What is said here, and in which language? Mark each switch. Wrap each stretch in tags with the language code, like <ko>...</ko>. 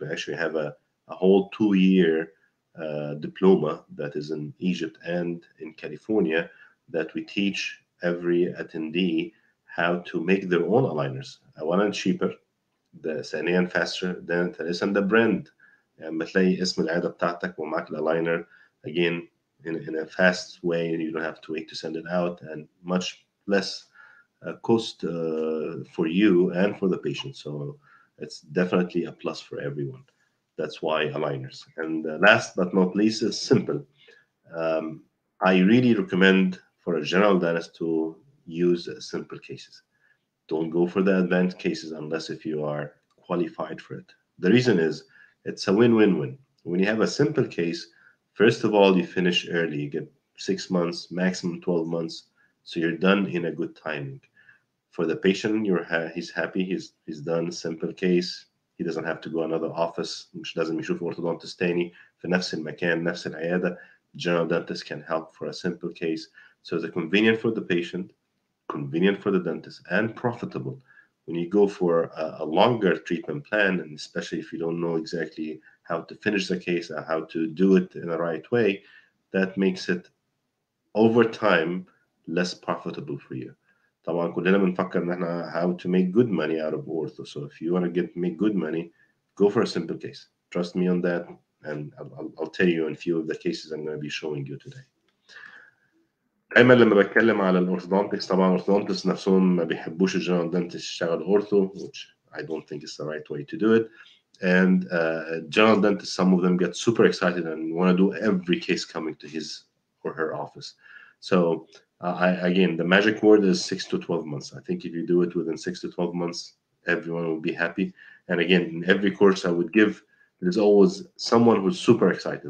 <en>We actually have a whole 2-year diploma that is in Egypt and in California that we teach every attendee how to make their own aligners. One and cheaper, the</en> <ar>ثانيا</ar> <en>faster than</en> <ar>ثالثا</ar> <en>the brand.</en> <ar>بتلاقي اسم العيادة بتاعتك ومعك الالاينر</ar> <en>again in a fast way. You don't have to wait to send it out and much less cost for you and for the patient. So it's definitely a plus for everyone. That's why aligners. And last but not least, it's simple. I really recommend for a general dentist to use simple cases. Don't go for the advanced cases unless if you are qualified for it. The reason is it's a win-win-win. When you have a simple case, first of all, you finish early. You get 6 months, maximum 12 months. So you're done in a good timing. For the patient, he's happy. He's done simple case. He doesn't have to go another office.</en> <ar>مش لازم يشوف orthodontist تاني في نفس المكان نفس العيادة.</ar> <en>General dentist can help for a simple case. So it's convenient for the patient, convenient for the dentist, and profitable. when you go for a longer treatment plan, and especially if you don't know exactly how to finish the case or how to do it in the right way, that makes it over time less profitable for you.</en> <ar>طبعا كلنا بنفكر ان احنا</ar> <en>how to make good money out of ortho. So if you want to make good money, go for a simple case. Trust me on that, and I'll tell you in a few of the cases I'm going to be showing you today.</en> <ar>دايما لما بتكلم على الاورثودونتكس, طبعا الاورثودونتكس نفسهم ما بيحبوش الجنرال دنتست يشتغل ortho,</ar> <en>which I don't think is the right way to do it. And general dentists, some of them get super excited and want to do every case coming to his or her office. So again, the magic word is 6 to 12 months. I think if you do it within 6 to 12 months, everyone will be happy. And again, in every course I would give, there's always someone who's super excited.</en>